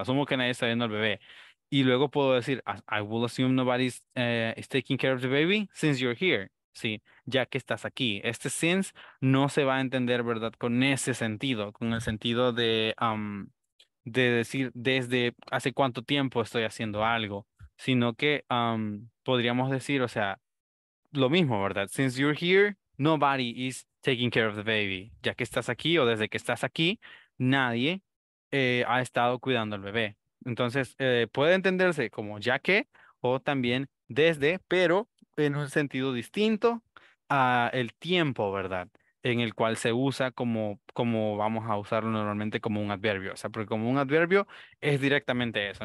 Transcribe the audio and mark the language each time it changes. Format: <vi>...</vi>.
<es>Asumo que nadie está viendo al bebé. Y luego puedo decir,</es> <en>I will assume nobody is taking care of the baby since you're here.</en> <es>Sí, ya que estás aquí. Este since no se va a entender, ¿verdad? Con ese sentido, con el sentido de... de decir desde hace cuánto tiempo estoy haciendo algo, sino que podríamos decir, o sea, lo mismo, ¿verdad?</es> <en>Since you're here, nobody is taking care of the baby.</en> <es>Ya que estás aquí o desde que estás aquí, nadie ha estado cuidando al bebé. Entonces, puede entenderse como ya que o también desde, pero en un sentido distinto a el tiempo, ¿verdad? En el cual se usa como vamos a usarlo normalmente como un adverbio. O sea, porque como un adverbio es directamente eso.</es>